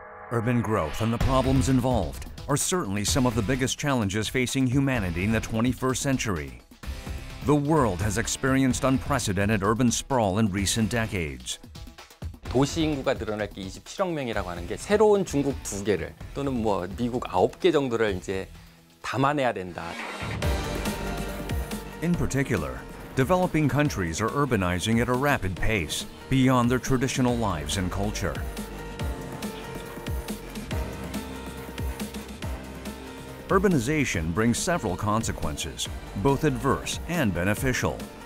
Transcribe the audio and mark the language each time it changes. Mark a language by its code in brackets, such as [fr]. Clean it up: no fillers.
[en] Urban growth and the problems involved are certainly some of the biggest challenges facing humanity in the 21st century. The world has experienced unprecedented urban sprawl in recent decades. [ko] 도시 인구가 늘어날 게 27억 명이라고 하는 게 새로운 중국 두 개를 또는 뭐 미국 아홉 개 정도를 이제 담아내야 된다. [en] In particular, developing countries are urbanizing at a rapid pace beyond their traditional lives and culture. Urbanization brings several consequences, both adverse and beneficial.